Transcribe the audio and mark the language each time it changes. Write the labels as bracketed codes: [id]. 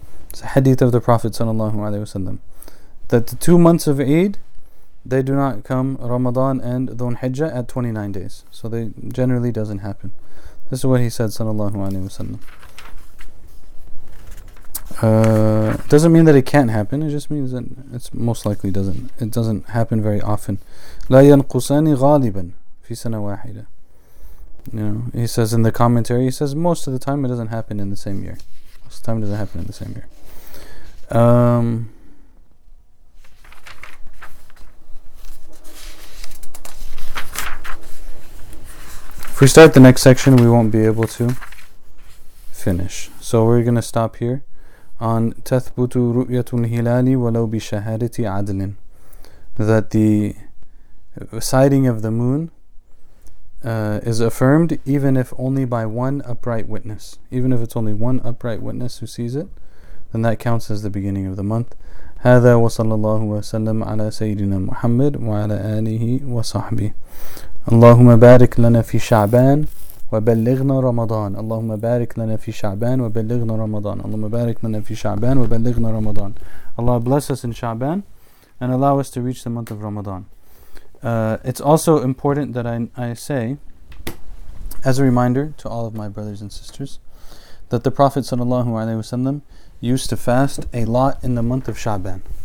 [en] It's a hadith of the Prophet sallallahu alaihi wasallam that the 2 months of Eid, they do not come, Ramadan and Dhul Hijjah, at 29 days. So they generally doesn't happen. This is what he said sallallahu alaihi wasallam. Doesn't mean that it can't happen, it just means that it's most likely doesn't. It doesn't happen very often. [ar] لا ينقصني غالبا في سنة واحدة. [en] You know, he says in the commentary, he says most of the time it doesn't happen in the same year. Most of the time it doesn't happen in the same year. If we start the next section, we won't be able to finish. So we're going to stop here. On [ar] تَثْبُتُ رُؤْيَةُ الْهِلَالِ وَلَوْ بِشَهَادَةِ عَدْلٍ, [en] that the sighting of the moon is affirmed even if only by one upright witness. Even if it's only one upright witness who sees it, then that counts as the beginning of the month. [ar] هَذَا وَصَلَّى اللَّهُ وَسَلَّمْ عَلَى سَيِّدِنَا مُحَمَّدْ وَعَلَى آلِهِ وَصَحْبِهِ. اللهم بارك لنا في شعبان وبلغنا رمضان. اللهم بارك لنا في شعبان وبلغنا رمضان. اللهم بارك لنا في شعبان وبلغنا رمضان. [en] Allah bless us in Sha'ban and allow us to reach the month of Ramadan. It's also important that I say, as a reminder to all of my brothers and sisters, that the Prophet sallallahu alaihi wasallam used to fast a lot in the month of Sha'ban.